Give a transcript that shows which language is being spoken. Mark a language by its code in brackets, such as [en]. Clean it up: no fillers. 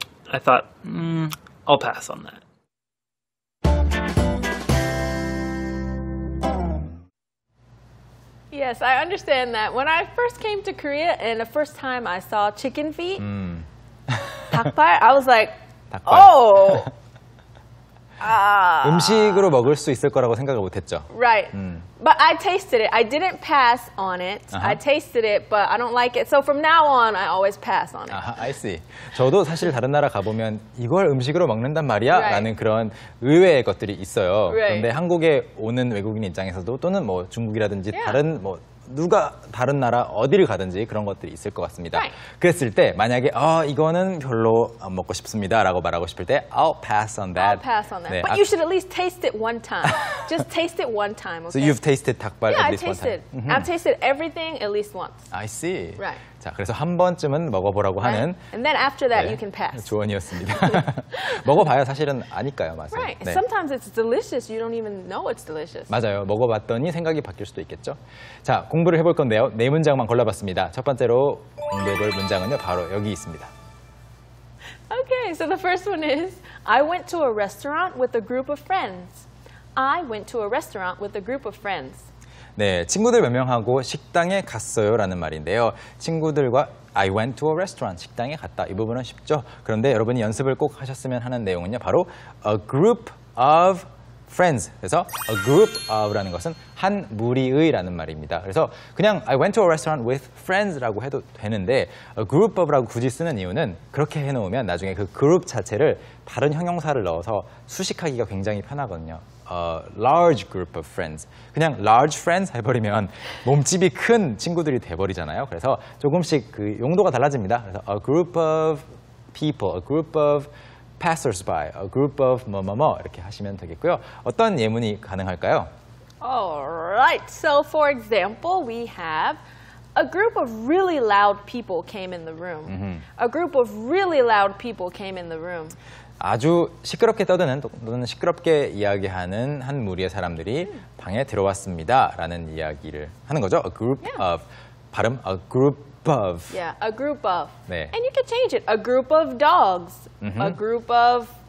[en] I thought, I'll pass on that. Yes, I understand that. When I first came to Korea and the first time I saw chicken feet, 닭발, I was like, 닭발. Oh! [ko] 음식으로 먹을 수 있을 거라고 생각을 못했죠. [en] Right. But I tasted it. I didn't pass on it. Uh-huh. I tasted it, but I don't like it. So from now on, I always pass on it. I see. [ko] 저도 사실 다른 나라 가보면 이걸 음식으로 먹는단 말이야? [en] Right. [ko] 라는 그런 의외의 것들이 있어요. [en] Right. [ko] 그런데 한국에 오는 외국인 입장에서도 또는 뭐 중국이라든지 yeah. 다른 뭐 누가 다른 나라 어디를 가든지 그런 것들이 있을 것 같습니다. [en] Right. [ko] 그랬을 때 만약에 이거는 별로 안 먹고 싶습니다 라고 말하고 싶을 때 [en] I'll pass on that. I'll pass on that. 네, But you should at least taste it one time. Just taste it one time. Okay? So you've tasted 닭발 yeah, at least one time. I've tasted everything at least once. I see. Right. [ko] 자, 그래서 한 번쯤은 먹어보라고 하는 [en] right. And then after that 네, you can pass. [ko] 조언이었습니다. 먹어봐요. 사실은 아니까요. 맞아요. [en] Right. 네. Sometimes it's delicious. You don't even know it's delicious. [ko] 맞아요. 먹어봤더니 생각이 바뀔 수도 있겠죠. 자, 공부를 해볼 건데요. 네 문장만 골라봤습니다. 첫 번째로 공부해볼 문장은요, 바로 여기 있습니다. [en] Okay, so the first one is I went to a restaurant with a group of friends. I went to a restaurant with a group of friends. [ko] 네, 친구들 몇 명하고 식당에 갔어요 라는 말인데요. 친구들과 [en] I went to a restaurant, [ko] 식당에 갔다. 이 부분은 쉽죠. 그런데 여러분이 연습을 꼭 하셨으면 하는 내용은요, 바로 [en] a group of friends. [ko] 그래서 a group of라는 것은 한 무리의라는 말입니다. 그래서 그냥 [en] I went to a restaurant with friends [ko] 라고 해도 되는데 a group of라고 굳이 쓰는 이유는 그렇게 해놓으면 나중에 그 group 자체를 다른 형용사를 넣어서 수식하기가 굉장히 편하거든요. [en] A large group of friends. [ko] 그냥 [en] large friends [ko] 해버리면 몸집이 큰 친구들이 돼버리잖아요. 그래서 조금씩 그 용도가 달라집니다. 그래서 [en] a group of people, a group of passersby, [ko] a group of 뭐뭐뭐 이렇게 하시면 되겠고요. 어떤 예문이 가능할까요? [en] Alright, so for example, we have a group of really loud people came in the room. A group of really loud people came in the room. [ko] 아주 시끄럽게 떠드는 또는 시끄럽게 이야기하는 한 무리의 사람들이 방에 들어왔습니다. 라는 이야기를 하는 거죠. [en] A group yeah. of. 발음? A group of. Yeah, a group of. 네. And you can change it. A group of dogs. Mm-hmm. A group of